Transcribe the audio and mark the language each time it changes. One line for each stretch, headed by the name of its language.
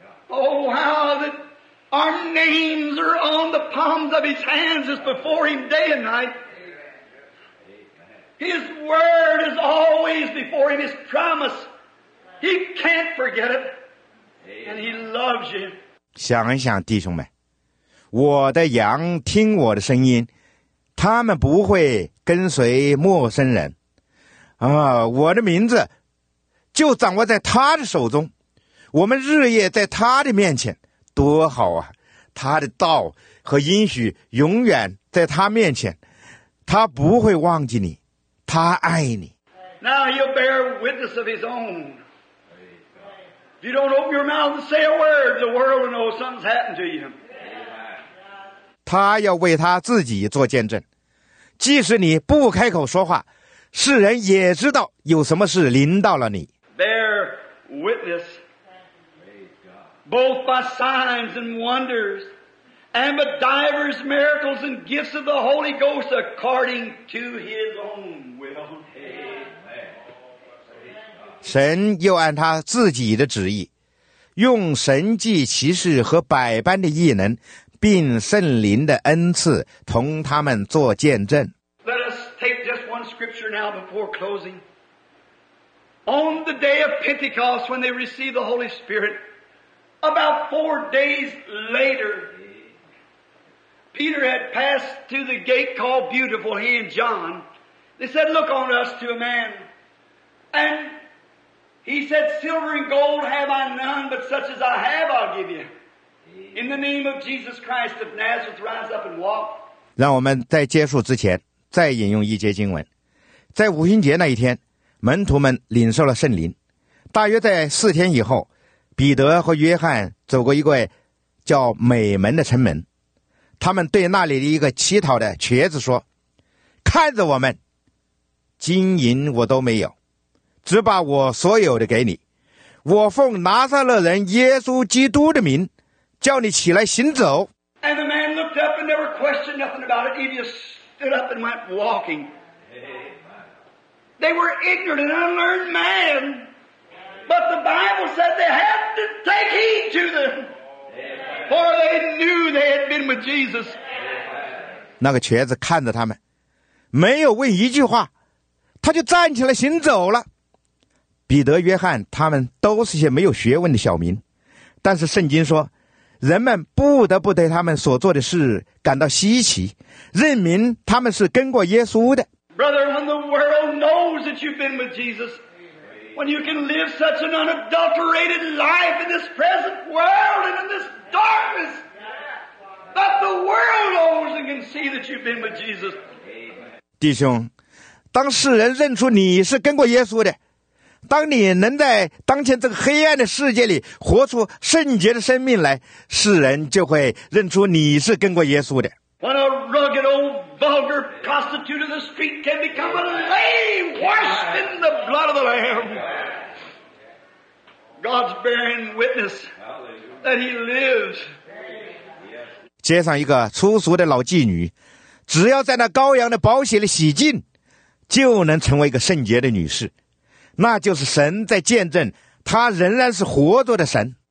English: Oh, how that our names are on the palms of his hands is before him day and night. His word is always before him, his promise. He can't forget it. And he loves you.
Chinese: 想一想弟兄们，我的羊听我的声音，他们不会跟随陌生人。啊，我的名字就掌握在他的手中，我们日夜在他的面前，多好啊！他的道和应许永远在他面前，他不会忘记你，他爱你。
English: Now he'll bear witness of his own. If you don't open your mouth and say a word, the world will know something's happened to you.
Chinese: 他要为他自己做见证，即使你不开口说话，世人也知道有什么事临到了你。
English: Bear witness both by signs and wonders and by divers miracles and gifts of the Holy Ghost according to his own will. Amen.
Chinese: 神又按他自己的旨意，用神迹奇事和百般的异能并圣灵的恩赐同他们做见证。
English: Let us take just one scripture now before closing. On the day of Pentecost, when they received the Holy Spirit, about 4 days later, Peter had passed to the gate called Beautiful, he and John. They said, look on us to a man. And he said, silver and gold have I none, but such as I have I'll give you. In the name of Jesus Christ of Nazareth, rise up and walk.
Chinese: 让我们在结束之前再引用一节经文。在五旬节那一天，门徒们领受了圣灵。大约在4天以后，彼得和约翰走过一个叫美门的城门，他们对那里的一个乞讨的瘸子说，看着我们，金银我都没有，只把我所有的给你，我奉拿撒勒人耶稣基督的名叫你起来行走。
English: And the man looked up and never questioned nothing about it. He just stood up and went walking. They were ignorant and unlearned men, but the Bible said they had to take heed to them, for they knew they had been with Jesus.
Chinese: 那个瘸子看着他们，没有问一句话，他就站起来行走了。彼得、约翰他们都是些没有学问的小民，但是圣经说，人们不得不对他们所做的事感到稀奇，认明他们是跟过耶稣的。
English: Brother, when the world knows that you've been with Jesus, when you can live such an unadulterated life in this present world and in this darkness, that the world knows and can see that you've been with Jesus.
Chinese: 弟兄，当世人认出你是跟过耶稣的，当你能在当前这个黑暗的世界里活出圣洁的生命来，世人就会认出你是跟过耶稣的。
English: When a rugged old vulgar prostitute of the street can become a lady washed in the blood of the Lamb. God's bearing witness that he lives.
Chinese: 街上一个粗俗的老妓女，只要在那羔羊的宝血里洗净，就能成为一个圣洁的女士。那就是神在见证他仍然是活着的神。